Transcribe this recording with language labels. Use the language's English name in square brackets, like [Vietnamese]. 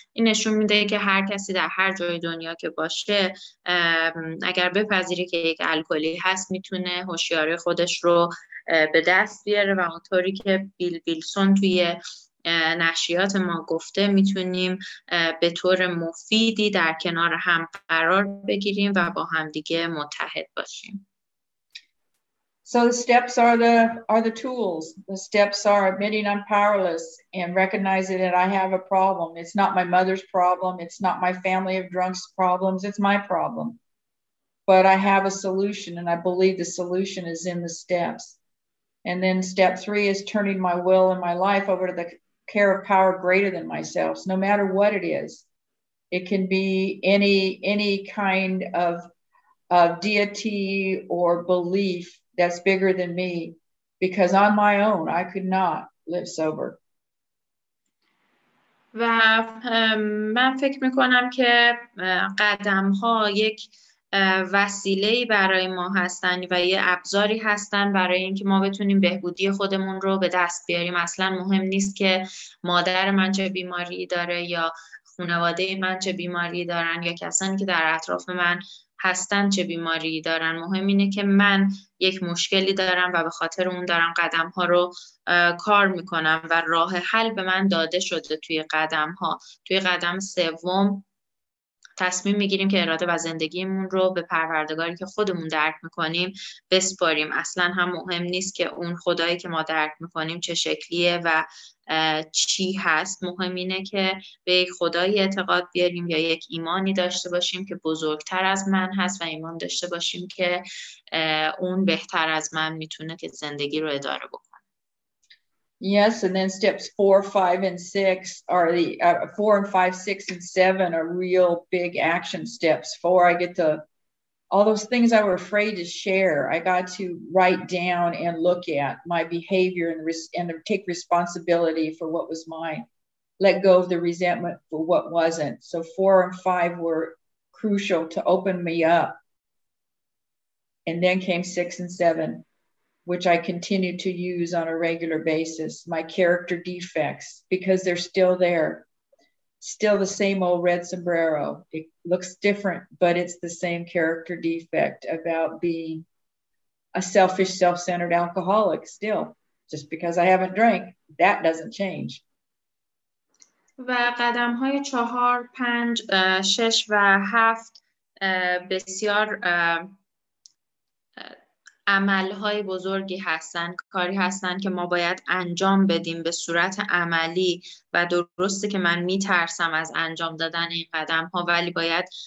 [Persian] این نشون میده که هر کسی در هر جای دنیا که باشه اگر بپذیره که یک الکلی هست میتونه هوشیاری خودش رو به دست بیاره و اونطوری که بیل ویلسون توی نشریات ما گفته میتونیم به طور مفیدی در کنار هم قرار بگیریم و با همدیگه متحد باشیم. [English] So the steps are the tools. The steps are admitting I'm powerless and recognizing that I have a problem. It's not my mother's problem. It's not my family of drunks problems. It's my problem. But I have a solution and I believe the solution is in the steps. And then step three is turning my will and my life over to the care of power greater than myself, no matter what it is. It can be any kind of deity or belief that's bigger than me, because on my own, I could not live sober. [Persian] و من فکر میکنم که قدم ها یک وسیله‌ای برای ما هستن و یه ابزاری هستن برای اینکه ما بتونیم بهبودی خودمون رو به دست بیاریم. اصلا مهم نیست که مادر من چه بیماری داره یا خانواده من چه بیماری دارن یا کسانی که در اطراف من هستن چه بیماری دارن. مهم اینه که من یک مشکلی دارم و به خاطر اون دارم قدم ها رو کار میکنم و راه حل به من داده شده توی قدم ها. توی قدم سوم تصمیم میگیریم که اراده و زندگیمون رو به پروردگاری که خودمون درک میکنیم بسپاریم. اصلا هم مهم نیست که اون خدایی که ما درک میکنیم چه شکلیه و چی هست. مهم اینه که به یک خدایی اعتقاد بیاریم یا یک ایمانی داشته باشیم که بزرگتر از من هست و ایمان داشته باشیم که اون بهتر از من میتونه که زندگی رو اداره بکنه. [English] Yes, and then steps 4, 5, and 6 are the 4, 5, 6, and 7 are real big action steps. 4, I get to all those things I were afraid to share. I got to write down and look at my behavior and take responsibility for what was mine. Let go of the resentment for what wasn't. So 4 and 5 were crucial to open me up. And then came 6 and 7. Which I continue to use on a regular basis, my character defects, because they're still there. Still the same old red sombrero. It looks different, but it's the same character defect about being a selfish, self-centered alcoholic still. Just because I haven't drank, that doesn't change. [Persian] و قدم های 4, 5, 6 و 7 بسیار عمل های بزرگی هستند، کاری هستند که ما باید انجام بدیم به صورت عملی و درسته که من می ترسم از انجام دادن این قدم ها، ولی باید